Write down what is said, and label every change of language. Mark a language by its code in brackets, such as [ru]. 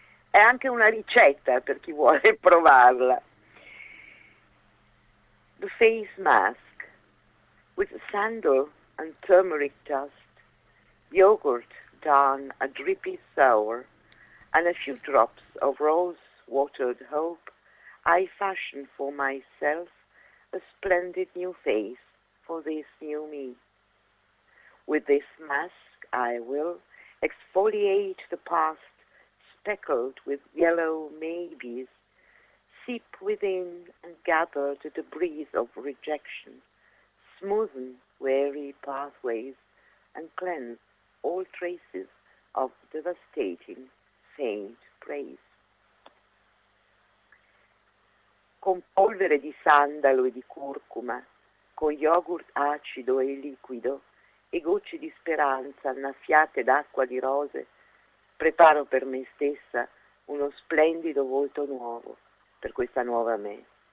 [it] È anche una ricetta per chi vuole provarla. [en] The face mask with sandal and turmeric dust, yogurt done a drippy sour and a few drops of rose watered hope, I fashion for myself a splendid new face for this new me. With this mask I will exfoliate the past, speckled with yellow maybes, seep within and gather the debris of rejection, smoothen weary pathways and cleanse all traces of devastating faint praise. [it] Con polvere di sandalo e di curcuma, con yogurt acido e liquido e gocce di speranza annaffiate d'acqua di rose, preparo per me stessa uno splendido volto nuovo per questa nuova me.